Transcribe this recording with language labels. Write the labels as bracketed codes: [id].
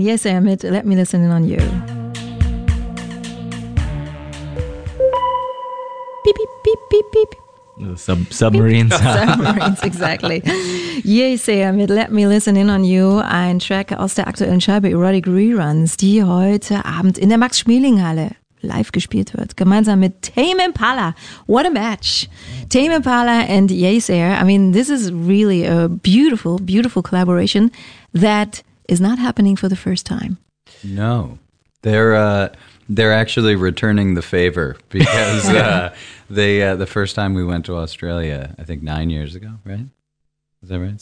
[en] Yes, Amit, let me listen in on you. Beep, beep, beep, beep, beep. Submarines. Submarines, exactly. Yay, Sam, let me listen in on you. [de] Ein Track aus der aktuellen Scheibe Erotic Reruns, die heute Abend in der Max-Schmeling-Halle live gespielt wird, gemeinsam mit Tame Impala. [en] What a match. Tame Impala and Yay, Sam. I mean, this is really a beautiful, beautiful collaboration that is not happening for the first time. No. They're actually returning the favor because the first time we went to Australia, I think 9 years ago, right? Is that right?